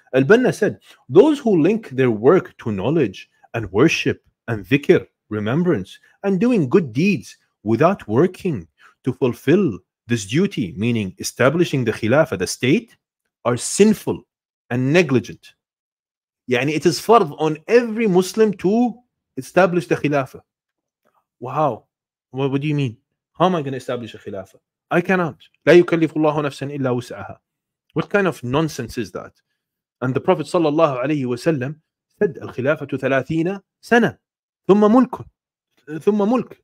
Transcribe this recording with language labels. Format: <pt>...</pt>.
<en>Al-Banna said, those who link their work to knowledge and worship and dhikr, remembrance, and doing good deeds without working to fulfill this duty, meaning establishing the Khilafah, the state, are sinful and negligent. Yani it is fard on every Muslim to establish the Khilafah. Wow. What do you mean? How am I going to establish a Khilafah? I cannot.</en> <ar>لا يكلف الله نفسا إلا وسعها.</ar> <en>What kind of nonsense is that? And the Prophet sallallahu alayhi wa sallam said,</en> <ar>الخلافة 30 سنة ثم ملك ثم ملك.</ar>